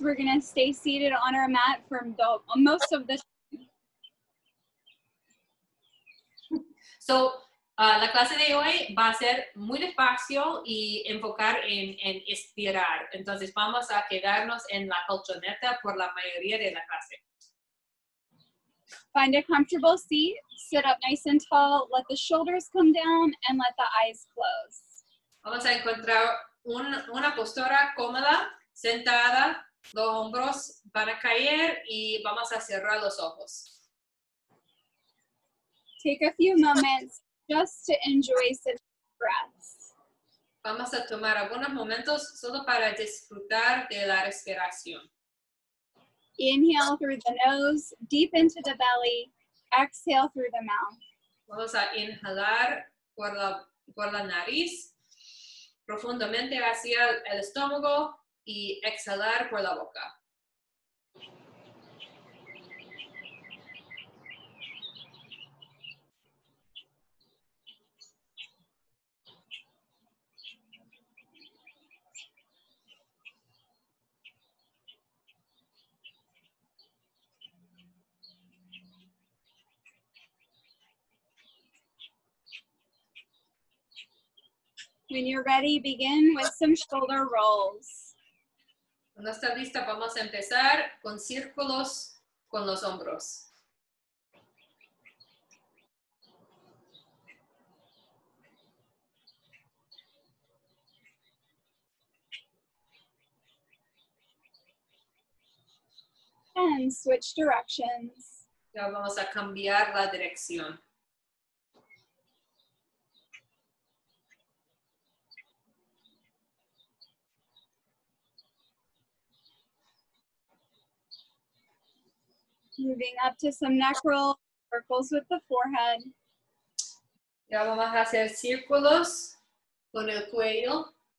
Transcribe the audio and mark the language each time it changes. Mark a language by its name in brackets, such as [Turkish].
[English] We're going to stay seated on our mat for most of the time. [Spanish] So, la clase de hoy va a ser muy despacio y enfocar en estirar. Entonces, vamos a quedarnos en la colchoneta por la mayoría de la clase. [English] Find a comfortable seat, sit up nice and tall, let the shoulders come down, and let the eyes close. [Spanish] Vamos a encontrar una postura cómoda, sentada, los hombros van a caer y vamos a cerrar los ojos. [English] Take a few moments just to enjoy sit breaths. [Spanish] Vamos a tomar algunos momentos solo para disfrutar de la respiración. [English] Inhale through the nose, deep into the belly, exhale through the mouth. [Spanish] Vamos a inhalar por la nariz, profundamente hacia el estómago y exhalar por la boca. [English] When you're ready, begin with some shoulder rolls. [Spanish] Cuando está lista, vamos a empezar con círculos con los hombros. [English] And switch directions. [Spanish] Ya vamos a cambiar la dirección. [English] Moving up to some neck rolls, circles with the forehead. [Spanish] Ya vamos a hacer círculos con el cuello.